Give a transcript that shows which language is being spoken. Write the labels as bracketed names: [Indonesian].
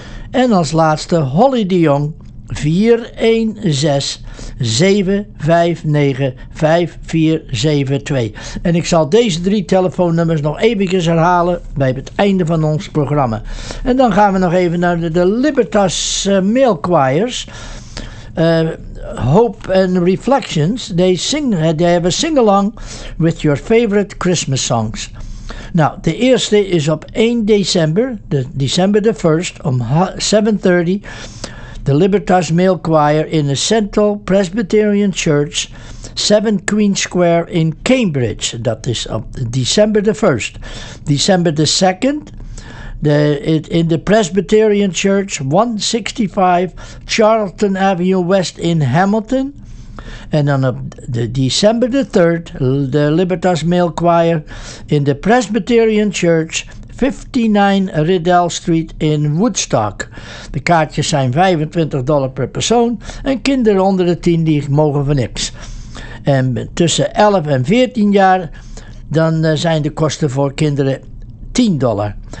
[Dutch] En als laatste Holly de Jong 416-759-5472. En ik zal deze 3 telefoonnummers nog eventjes herhalen bij het einde van ons programma. En dan gaan we nog even naar de Libertas Mail Choirs. [English] Hope and Reflections, they have a sing-along with your favorite Christmas songs. [Dutch] Nou, de eerste is op 1 december, [English] December the 1st, [Dutch] om 7:30, de Libertas Male Choir in the Central Presbyterian Church, 7 Queen Square in Cambridge. Dat is op December the 1st. [English] December the 2nd, In the Presbyterian Church, 165 Charlton Avenue West in Hamilton. And on the December the 3rd, the Libertas Male Choir in the Presbyterian Church, 59 Riddell Street in Woodstock. [Dutch] De kaartjes zijn $25 per persoon en kinderen onder de 10 die mogen van niks. En tussen 11 en 14 jaar, dan zijn de kosten voor kinderen $10.